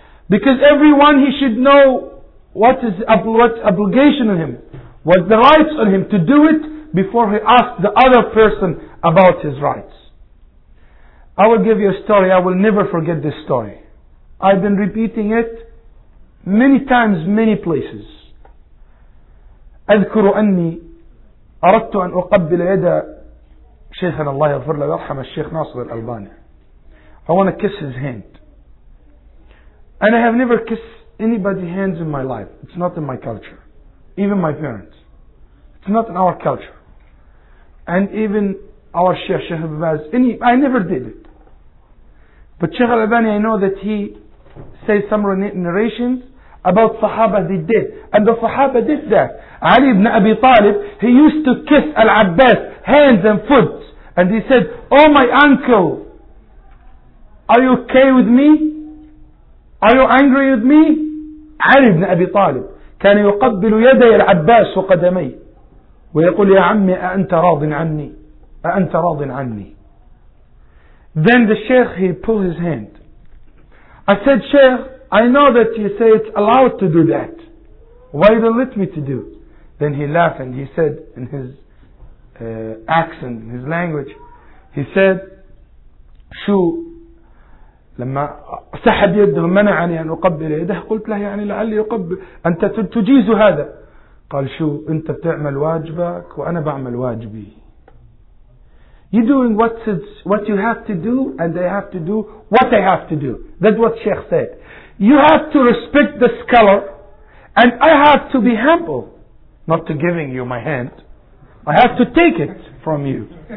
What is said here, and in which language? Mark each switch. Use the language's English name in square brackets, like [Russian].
[English] Because everyone he should know what is what obligation on him, what the rights on him to do it before he asks the other person about his rights. I will give you a story. I will never forget this story. I've been repeating it many times, many places. [Arabic] أذكر أني أردت أن أقبل يد شيخنا الله يغفر له ويرحم الشيخ ناصر الألباني. [English] I want to kiss his hand. And I have never kissed anybody's hands in my life. It's not in my culture. Even my parents. It's not in our culture. And even our Sheikh, Sheikh Abbas, I never did it. But Sheikh Al-Albani, I know that he says some narrations about Sahaba they did. And the Sahaba did that. Ali ibn Abi Talib, he used to kiss Al-Abbas hands and foot. And he said, "Oh my uncle, are you okay with me? Are you angry with me?" [Arabic] Ali ibn Abi Talib كان يقبل يدي العباس وقدمي ويقول يا عمي أأنت راض عني أأنت راض عني. [English] Then the sheikh, he pulled his hand. I said, "Sheikh, I know that you say it's allowed to do that. Why you don't let me to do?" Then he laughed and he said in his accent, in his language, he said, [Arabic] "شو لما سحب يده منعني أن أقبل يده قلت له يعني لعلي يقبل أنت تجيز هذا قال شو أنت بتعمل واجبك وأنا بعمل واجبي. [English] You're doing what you have to do and I have to do what I have to do. That's what Sheikh said. You have to respect the scholar and I have to be humble not to giving you my hand. I have to take it from you.